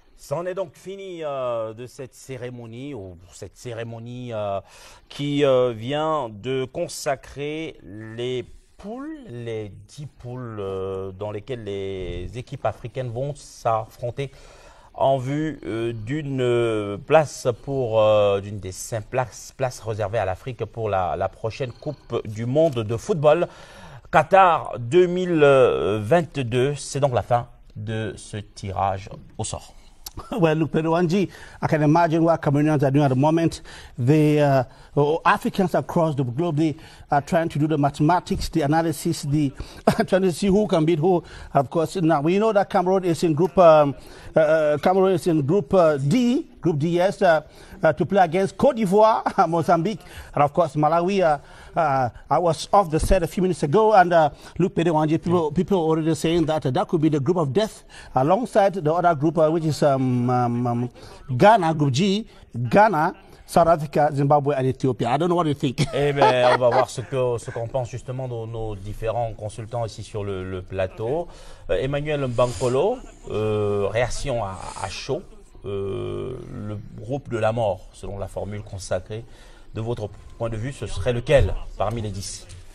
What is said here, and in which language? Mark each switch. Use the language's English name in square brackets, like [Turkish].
[French] 'En est donc fini de cette cérémonie, ou cette cérémonie qui vient de consacrer les poules, les 10 poules dans lesquelles les équipes africaines vont s'affronter en vue d'une place pour d'une des 5 places réservées à l'Afrique pour la prochaine Coupe du monde de football Qatar 2022. C'est donc la fin de ce tirage au sort. [English] Well, look, Peruanji, I can imagine what Cameroonians are doing at the moment. The Africans across the globe, they are trying to do the mathematics, the analysis, the trying to see who can beat who. Of course, now we know that Cameroon is in group Group D, to play against Cote d'Ivoire, Mozambique, and of course Malawi. I was off the set a few minutes ago, and Luke Pedewanji, people are already saying that that could be the group of death, alongside the other group, which is Ghana, Group G, Ghana, South Africa, Zimbabwe, and Ethiopia. I don't know what you think. [French] Eh bien, on va voir ce qu'on pense justement de nos différents consultants ici sur le plateau. Emmanuel Mbankolo, réaction à chaud, le groupe de la mort, selon la formule consacrée. De votre point de vue, ce serait lequel parmi les 10?